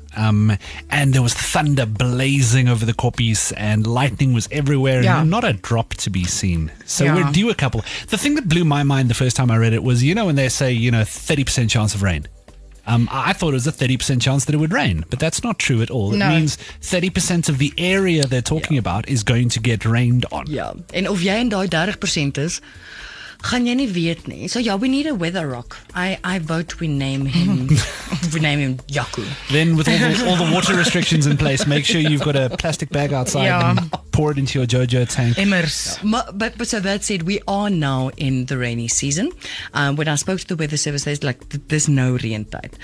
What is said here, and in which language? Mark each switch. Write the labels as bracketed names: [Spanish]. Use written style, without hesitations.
[English] And there was thunder blazing over the kopjies and lightning was everywhere and not a drop to be seen. So we're due a couple. The thing that blew my mind the first time I read it was, you know, when they say, you know, 30% chance of rain. I thought it was a 30% chance that it would rain, but that's not true at all. It means 30% of the area they're talking about is going to get rained on. [Afrikaans] Yeah, and of jy in daai 30% is, gaan jy nie weet nie. [English] So yeah, we need a weather rock. I vote we name him, Yaku. Then with all the water restrictions in place, make sure you've got a plastic bag outside and pour it into your JoJo tank. [Afrikaans] Immers. [English] Yeah. But so that said, we are now in the rainy season. When I spoke to the weather service, there's like, there's no rain tide.